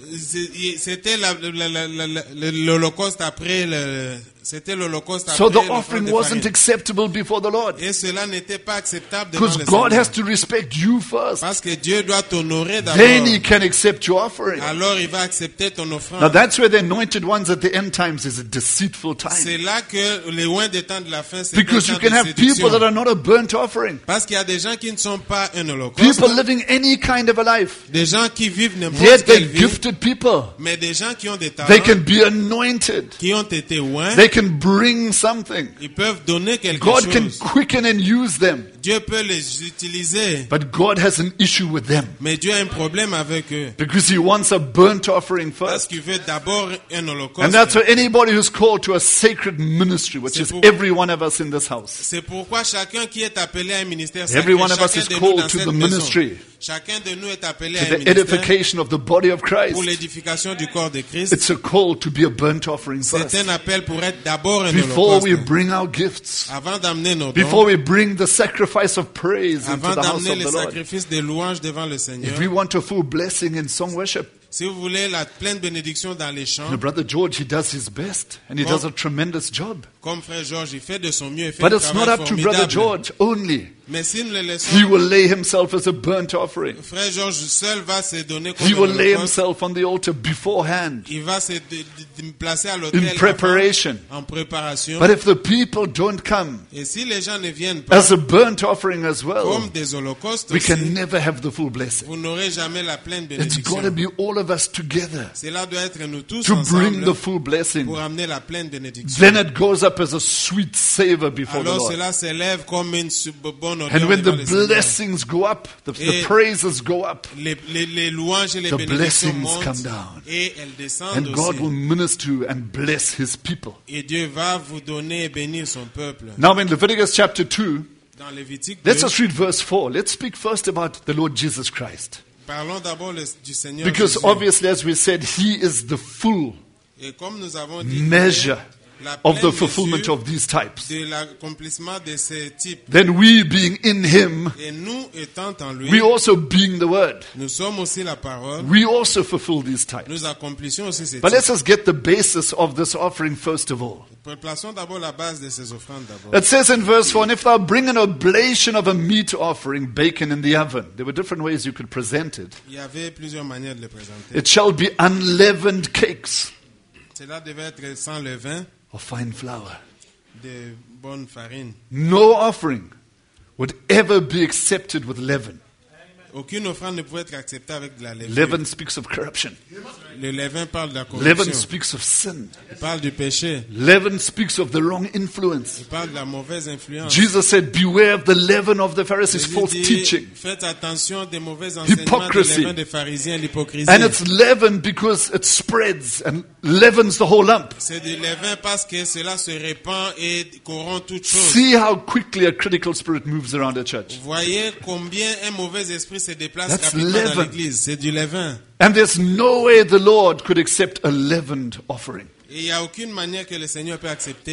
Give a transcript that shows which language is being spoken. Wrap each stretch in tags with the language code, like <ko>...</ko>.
<fr>C'était l'Holocauste après le. C'était l'Holocauste après</fr> <en>so the offering wasn't acceptable before the Lord.</en> <fr>Et cela n'était pas acceptable devant le Seigneur.</fr> <en>Because God has to respect you first.</en> <fr>Parce que Dieu doit t'honorer d'abord.</fr> <en>Then he can accept your offering.</en> <fr>Alors il va accepter ton offrande.</fr> <en>Now that's where the anointed ones at the end times is a deceitful time.</en> <fr>C'est là que les oints des temps de la fin c'est</fr> <en>Because you can have people that are not a burnt offering.</en> <fr>Parce qu'il y a des gens qui ne sont pas un holocauste.</fr> <en>People living any kind of a life.</en> <fr>Des gens qui vivent n'importe quelle vie.</fr> <en>Yet they're gifted people.</en> <fr>Mais des gens qui ont des talents.</fr> <en>They can be anointed.</en> <fr>Qui ont été oints.</fr> <en>Can bring something.</en> <fr>Ils peuvent donner quelque</fr> <en>God</en> <fr>chose.</fr> <en>Can quicken and use them.</en> <fr>Dieu peut les utiliser.</fr> <en>But God has an issue with them.</en> <fr>Mais Dieu a un problème avec eux.</fr> <en>Because he wants a burnt offering first.</en> <fr>Parce qu'il veut d'abord un holocauste.</fr> <en>And that's for anybody who's called to a sacred ministry, which is every one of us in this house.</en> <fr>C'est pourquoi chacun qui est appelé à un ministère,</fr> <en>every one of us is called to the ministry.</en> <fr>Chacun de nous est appelé</fr> <en>to the edification of the body of Christ.</en> <fr>Pour l'édification du corps de Christ.</fr> <en>It's a call to be a burnt offering first.</en> <fr>C'est un appel pour être d'abord un</fr> <en>Before we bring our gifts.</en> <fr>Avant d'amener nos dons.</fr> <en>Before we bring the sacrifice of praise</en> <fr>avant</fr> <en>into the house of the Lord.</en> <fr>Sacrifices de louange devant le Seigneur.</fr> <en>If we want a full blessing in song worship.</en> <fr>Si vous voulez la pleine bénédiction dans les chants.</fr> <en>The brother George, he does his best and he does a tremendous job.</en> <fr>Comme frère George, il fait de son mieux, il fait</fr> <en>But it's not up To brother George only.</en> <fr>Mais si nous le laissons,</fr> <en>he will lay himself as a burnt offering.</en> <fr>Frère George seul va se donner comme</fr> <en>He will lay himself on the altar beforehand.</en> <fr>Il va se placer à l'autel</fr> <en>in preparation.</en> <fr>En préparation.</fr> <en>But if the people don't come,</en> <fr>et si les gens ne viennent pas,</fr> <en>as a burnt offering as well,</en> <fr>comme des holocaustes</fr> <en>we</en> <fr>aussi,</fr> <en>can never have the full blessing.</en> <fr>Vous n'aurez jamais la pleine bénédiction.</fr> <en>It's got to be all of us together.</en> <fr>Cela doit être nous tous</fr> <en>to bring the full blessing.</en> <fr>Pour amener la pleine bénédiction.</fr> <en>Then it goes up as a sweet savor before</en> <fr>Alors,</fr> <en>the Lord.</en> <fr>S'élève comme une bonne</fr> <en>and when the blessings go up, the praises go up,</en> <fr>les louanges et les</fr> <en>the blessings</en> <fr>montent,</fr> <en>come down.</en> <fr>Et elles descendent</fr> <en>and God</en> <fr>aussi.</fr> <en>Will minister you and bless his people.</en> <fr>Et Dieu va vous donner et bénir son peuple.</fr> <en>Now in Leviticus chapter 2,</en> <fr>dans Lévitique</fr> <en>2, let's just read verse 4. Let's speak first about the Lord Jesus Christ.</en> <fr>Parlons d'abord du Seigneur</fr> <en>Because</en> <fr>Jésus.</fr> <en>Obviously, as we said, he is the full</en> <fr>et comme nous avons dit,</fr> <en>measure of the fulfillment of these types.</en> <fr>De l'accomplissement de ces types.</fr> <en>Then we being in him,</en> <fr>et nous étant en lui,</fr> <en>we also being the word,</en> <fr>nous sommes aussi la parole,</fr> <en>we also fulfill these types.</en> <fr>Nous accomplissons aussi ces</fr> <en>But</en> <fr>types.</fr> <en>Let's just get the basis of this offering first of all.</en> <fr>Plaçons d'abord la base de ces offrandes d'abord.</fr> <en>It says in verse 4, and if thou bring an oblation of a meat offering, bacon in the oven, there were different ways you could present it.</en> <fr>Il y avait plusieurs manières de le présenter.</fr> <en>It shall be unleavened cakes.</en> <fr>Cela devait être sans levain.</fr> <en>of fine flour.</en> <fr>De bonne farine.</fr> <en>No offering would ever be accepted with leaven.</en> <fr>Aucune offrande ne pouvait être acceptée avec de la levure.</fr> <en>Leaven speaks of corruption.</en> <fr>Le levain parle de la corruption.</fr> <en>Leaven speaks of sin.</en> <fr>Il parle du péché.</fr> <en>Leaven speaks of the wrong influence.</en> <fr>Il parle de la mauvaise influence.</fr> <en>Jesus said, "Beware of the leaven of the Pharisees, false teaching."</en> <fr>Faites attention des mauvaises enseignements du leaven des pharisiens, l'hypocrisie.</fr> <en>And it's leaven because it spreads and leavens the whole lump.</en> <fr>C'est du levain parce que cela se répand et corrompt toute chose.</fr> <en>See how quickly a critical spirit moves around a church.</en> <fr>Voyez combien un mauvais esprit se déplace rapidement dans l'église. C'est du levain.</fr> <en>And there's no way the Lord could accept a leavened offering.</en> <fr>Il y a aucune manière que le Seigneur peut accepter.</fr>